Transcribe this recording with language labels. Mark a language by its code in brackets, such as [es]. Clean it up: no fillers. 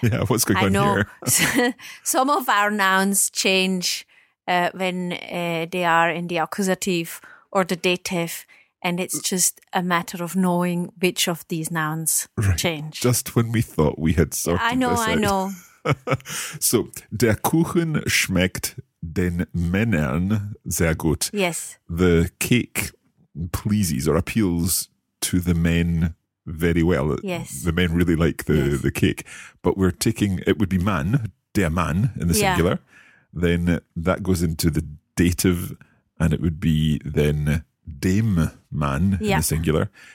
[en] Yeah, what's going on here? Some of our nouns change when they are in the accusative or the dative, and it's just a matter of knowing which of these nouns change. Just when we thought we had sorted this out. I know. [de] So, der Kuchen schmeckt den Männern sehr gut. [en] Yes. The cake pleases or appeals to the men very well. Yes. The men really like the cake. But we're taking, it would be man, der Mann in the singular. Yeah. Then that goes into the dative and it would be then dem Mann in the singular.